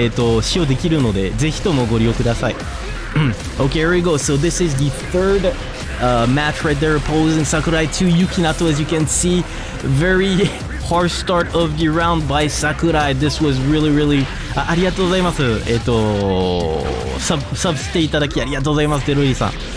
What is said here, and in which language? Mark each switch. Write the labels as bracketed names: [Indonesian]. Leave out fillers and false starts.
[Japanese] エフェクトを使用できるので、ぜひともご利用ください。 [English] Okay, here we go. So this is the third match right there, opposing Sakurai to Yukinato. As you can see, very harsh start of the round by Sakurai. This was really, really... [Japanese] ありがとうございます.サブしていただきありがとうございます, デロイリーさん.